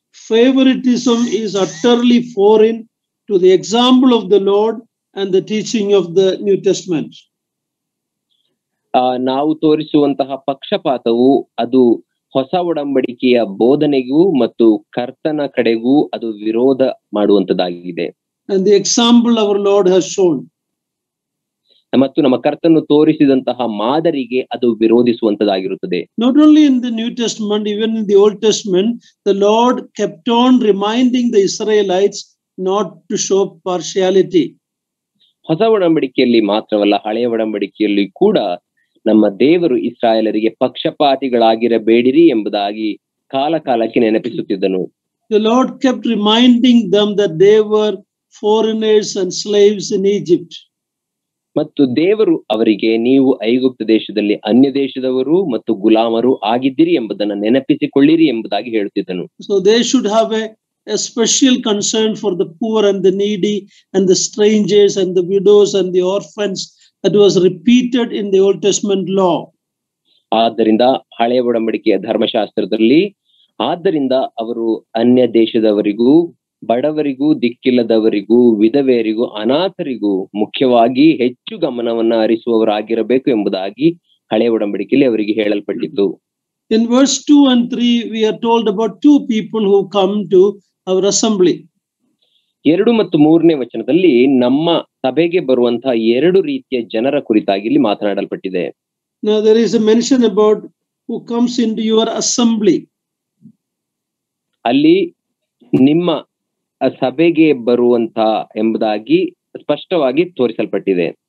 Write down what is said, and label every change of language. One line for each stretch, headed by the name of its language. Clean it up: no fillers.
English: Favoritism is utterly foreign to the example of the Lord and the teaching of the New Testament.
Kannada: ನಾವು ತೋರಿಸುವಂತಹ ಪಕ್ಷಪಾತವು ಅದು ಹೊಸ ಒಡಂಬಡಿಕೆಯ ಬೋಧನೆಗೂ ಮತ್ತು ಕರ್ತನ ಕಡೆಗೂ ಅದು ವಿರೋಧ ಮಾಡುವಂತದ್ದಾಗಿದೆ.
English: And the example our Lord has shown.
Kannada: ಮತ್ತು ನಮ್ಮ ಕರ್ತನು ತೋರಿಸಿದಂತಹ ಮಾದರಿಗೆ ಅದು ವಿರೋಧಿಸುವಂತದ್ದಾಗಿರುತ್ತದೆ.
English: Not only in the New Testament, even in the Old Testament, the Lord kept on reminding the Israelites not to show partiality.
Kannada: ಹೊಸ ಒಡಂಬಡಿಕೆಯಲ್ಲಿ ಮಾತ್ರವಲ್ಲ, ಹಳೆಯ ಒಡಂಬಡಿಕೆಯಲ್ಲಿ ಕೂಡ ನಮ್ಮ ದೇವರು ಇಸ್ರಾಯೇಲರಿಗೆ ಪಕ್ಷಪಾತಿಗಳಾಗಿರಬೇಡಿರಿ ಎಂಬುದಾಗಿ ಕಾಲಕಾಲಕ್ಕೆ ನೆನಪಿಸುತ್ತಿದ್ದನು.
English: The Lord kept reminding them that they were foreigners and slaves in Egypt.
Kannada: ಮತ್ತು ದೇವರು ಅವರಿಗೆ ನೀವು ಐಗುಪ್ತ ದೇಶದಲ್ಲಿ ಅನ್ಯ ದೇಶದವರು ಮತ್ತು ಗುಲಾಮರು ಆಗಿದ್ದೀರಿ ಎಂಬುದನ್ನು ನೆನಪಿಸಿಕೊಳ್ಳಿರಿ ಎಂಬುದಾಗಿ ಹೇಳುತ್ತಿದ್ದನು.
English: So they should have a special concern for the poor and the needy and the strangers and the widows and the orphans. It was repeated in the Old Testament law.
Kannada: ಆದ್ದರಿಂದ ಹಳೆಯ ಒಡಂಬಡಿಕೆಯ ಧರ್ಮಶಾಸ್ತ್ರದಲ್ಲಿ ಆದ್ದರಿಂದ ಅವರು ಅನ್ಯ ದೇಶದವರಿಗೂ, ಬಡವರಿಗೂ, ದಿಕ್ಕಿಲ್ಲದವರಿಗೂ, ವಿಧವೆಯರಿಗೂ, ಅನಾಥರಿಗೂ ಮುಖ್ಯವಾಗಿ ಹೆಚ್ಚು ಗಮನವನ್ನ ಹರಿಸುವವರಾಗಿರಬೇಕು ಎಂಬುದಾಗಿ ಹಳೆಯ ಒಡಂಬಡಿಕೆಯಲ್ಲಿ ಅವರಿಗೆ ಹೇಳಲ್ಪಟ್ಟಿದ್ದು.
English: In verse 2 and 3, we are told about two people who come to our assembly.
Kannada: ಎರಡು ಮತ್ತು ಮೂರನೇ ವಚನದಲ್ಲಿ ನಮ್ಮ ಸಭೆಗೆ ಬರುವಂತಹ ಎರಡು ರೀತಿಯ ಜನರ ಕುರಿತಾಗಿ ಇಲ್ಲಿ ಮಾತನಾಡಲ್ಪಟ್ಟಿದೆ.
English: Now there is a mention about who comes into your assembly.
Kannada: ಅಲ್ಲಿ ನಿಮ್ಮ ಸಭೆಗೆ ಬರುವಂತಹ ಎಂಬುದಾಗಿ ಸ್ಪಷ್ಟವಾಗಿ ತೋರಿಸಲ್ಪಟ್ಟಿದೆ.